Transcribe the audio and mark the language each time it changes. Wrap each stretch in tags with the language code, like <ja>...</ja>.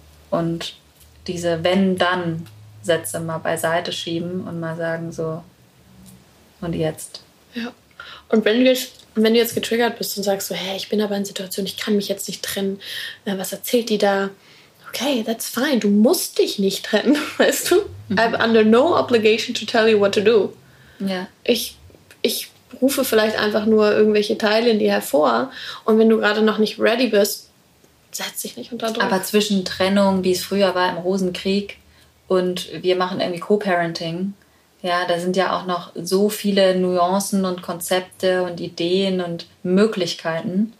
<de>Und diese Wenn-Dann-Sätze mal beiseite schieben und mal sagen so, und jetzt. Ja. Und wenn du jetzt getriggert bist und sagst so, hey, ich bin aber in Situation, ich kann mich jetzt nicht trennen, was erzählt die da?</de> <en>Okay, that's fine,</en> <de>du musst dich nicht trennen, weißt du? Mhm.</de> <en>I'm under no obligation to tell you what to do.</en> <de>Ja. Ich rufe vielleicht einfach nur irgendwelche Teile in dir hervor, und wenn du gerade noch nicht ready bist, setz dich nicht unter Druck. Aber zwischen Trennung, wie es früher war im Rosenkrieg, und wir machen irgendwie Co-Parenting, ja, da sind ja auch noch so viele Nuancen und Konzepte und Ideen und Möglichkeiten.</de>